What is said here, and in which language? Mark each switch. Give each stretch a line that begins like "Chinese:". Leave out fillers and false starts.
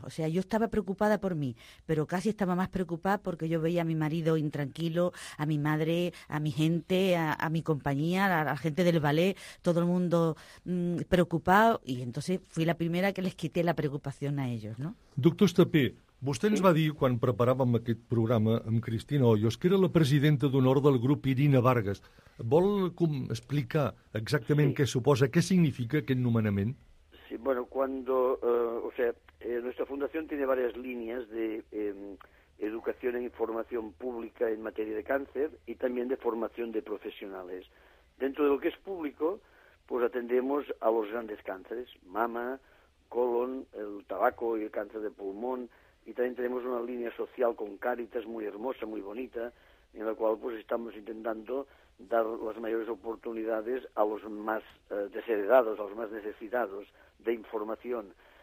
Spanish: O sea, yo estaba preocupada por mí, pero casi estaba más preocupada porque yo veía a mi marido intranquilo, a mi madre, a mi gente, a mi compañía, a la gente del ballet, todo el mundo preocupado. Y entonces fui la primera que les quité la preocupación a ellos, ¿no?
Catalan: Doctor Estapé, vostè ens va dir, quan preparàvem aquest programa amb Cristina Hoyos, que era la presidenta d'honor del grup Irina Vargas. Vol explicar exactament sí. Què suposa, què significa aquest nomenament?
Spanish: Sí, bueno, cuando... O sea, Nuestra fundación tiene varias líneas de educación e información pública en materia de cáncer y también de formación de profesionales. Dentro de lo que es público, pues atendemos a los grandes cánceres, mama, colon, el tabaco y el cáncer de pulmón, y también tenemos una línea social con Cáritas muy hermosa, muy bonita, en la cual pues estamos intentando dar las mayores oportunidades a los más desheredados, a los más necesitados de información.